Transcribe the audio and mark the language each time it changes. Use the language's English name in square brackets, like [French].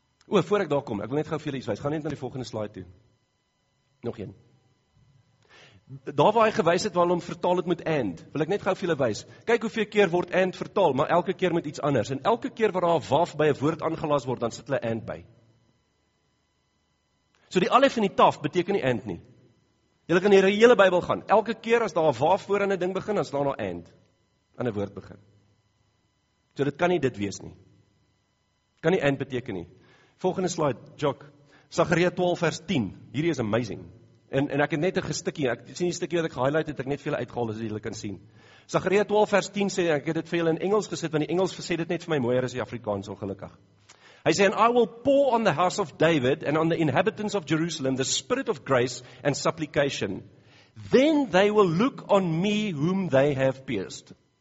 [Afrikaans] O, voor ek daar kom, ek wil net gauw vir julle iets wys. Gaan net na die volgende slide toe. Nog een. Daar waar hy gewys het, waar hom vertaal het met and, wil ek net gauw vir julle wys. Kyk hoeveel keer word and vertaal, maar elke keer met iets anders. En elke keer waar daar waf by 'n woord aangelas word, dan sit hulle and by. So die alef en die taf beteken nie and nie. Julle kan die hele Bybel gaan. Elke keer as daar waf voor aan 'n ding begin, dan staan daar and aan 'n woord begin. So dit kan nie dit wees nie. Kan nie and beteken nie. Volgende slide, Jock. Sagaria 12 vers 10. Hierdie is amazing. En ek het net 'n gestukkie, ek sien die stukkie wat ek gehighlight het, ek net vir julle uitgehaal, as julle kan sien. Sagaria 12 vers 10 sê, ek het dit vir julle in Engels gesit, want die Engels sê dit net vir my mooier as die Afrikaans, ongelukkig. Hy sê, [English] and I will pour on the house of David, and on the inhabitants of Jerusalem, the spirit of grace and supplication. Then they will look on me whom they have pierced.